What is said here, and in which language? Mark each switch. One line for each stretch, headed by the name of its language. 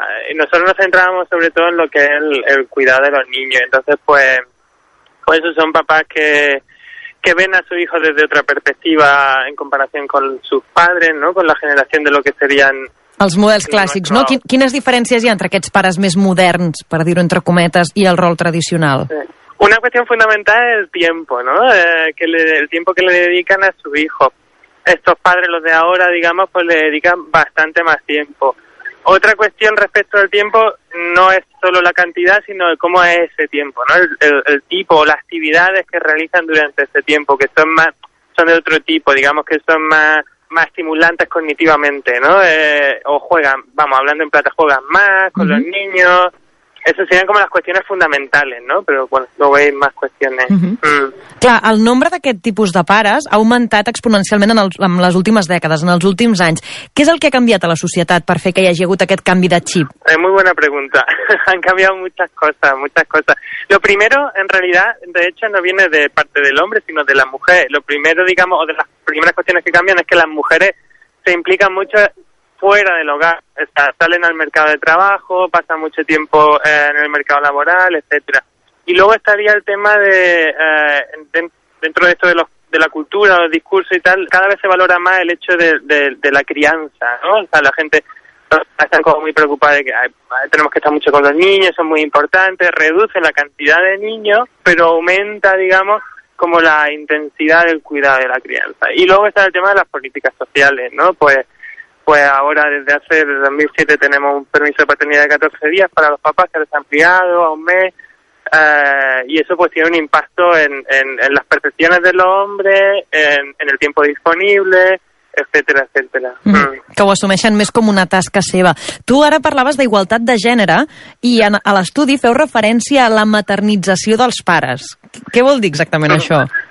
Spanish: Y nosotros nos centrábamos sobre todo en lo que es el cuidado de los niños. Entonces, pues esos son papás que ven a su hijo desde otra perspectiva en comparación con sus padres, ¿no? Con la generación de lo que serían
Catalan: els models clàssics, no? Quines diferències hi ha entre aquests pares més moderns, per dir-ho entre cometes, i el rol tradicional? Sí. Una qüestió fundamental és
Spanish: el tiempo, ¿no? El tiempo que le dedican a su hijo. Estos padres, los de ahora, digamos, pues le dedican bastante más tiempo. Otra cuestión respecto al tiempo no es solo la cantidad, sino cómo es ese tiempo, ¿no? El tipo o las actividades que realizan durante ese tiempo, que son más, son de otro tipo, digamos que son más estimulantes cognitivamente, ¿no? O juegan, vamos, hablando en plata, juegan más con los niños. Esas serían como las cuestiones fundamentales, ¿no? Pero bueno, luego hay más cuestiones.
Catalan: Clar, el nombre d'aquest tipus de pares ha augmentat exponencialment en les últimes dècades, en els últims anys. Què és el que ha canviat a la societat per fer que hi hagi hagut aquest canvi de xip?
Spanish: Es muy buena pregunta. Han cambiado muchas cosas. Lo primero, en realidad, de hecho, no viene de parte del hombre, sino de la mujer. Lo primero, digamos, o de las primeras cuestiones que cambian es que las mujeres se implican mucho fuera del hogar, salen al mercado de trabajo, pasan mucho tiempo en el mercado laboral, etcétera. Y luego estaría el tema de, dentro de esto de la cultura, los discursos y tal, cada vez se valora más el hecho de la crianza, ¿no? O sea, la gente está como muy preocupada de que tenemos que estar mucho con los niños, son muy importantes, reduce la cantidad de niños, pero aumenta, digamos, como la intensidad del cuidado de la crianza. Y luego está el tema de las políticas sociales, ¿no? Pues ahora, desde 2007, tenemos un permiso de paternidad de 14 días para los papás, que ahora se ha ampliado a un mes, y eso pues tiene un impacto en las percepciones de los hombres, en el tiempo disponible, etcétera, etcétera.
Catalan: Que ho assumeixen més com una tasca seva. Tu ara parlaves d'igualtat de gènere i a l'estudi feu referència a la maternització dels pares. Què vol dir exactament això?